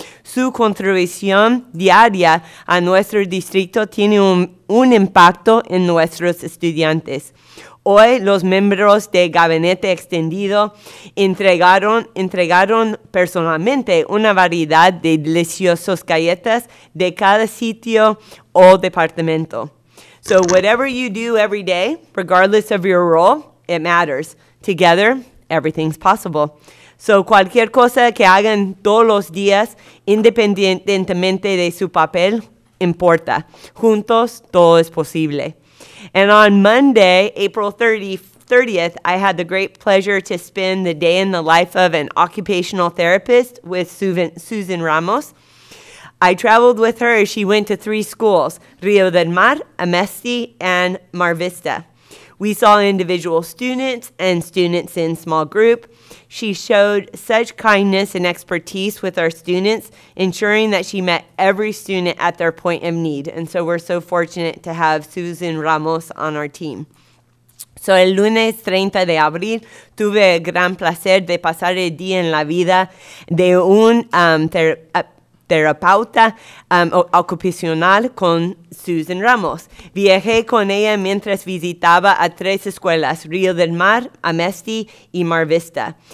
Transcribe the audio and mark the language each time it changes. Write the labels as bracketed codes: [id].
[es] Su contribución diaria a nuestro distrito tiene un impacto en nuestros estudiantes. Hoy los miembros de Gabinete Extendido entregaron personalmente una variedad de deliciosas galletas de cada sitio o departamento. [en] So whatever you do every day, regardless of your role, it matters. Together, everything's possible. [es] So cualquier cosa que hagan todos los días, independientemente de su papel, importa. Juntos, todo es posible. [en] And on Monday, April 30th, I had the great pleasure to spend the day in the life of an occupational therapist with Susan Ramos. I traveled with her as she went to three schools, Rio del Mar, Amesti, and Mar Vista. We saw individual students and students in small group. She showed such kindness and expertise with our students, ensuring that she met every student at their point of need. And so we're so fortunate to have Susan Ramos on our team. [es] So el lunes 30 de abril, tuve el gran placer de pasar el día en la vida de un terapeuta ocupacional con Susan Ramos. Viajé con ella mientras visitaba a tres escuelas, Río del Mar, Amesti y Mar Vista.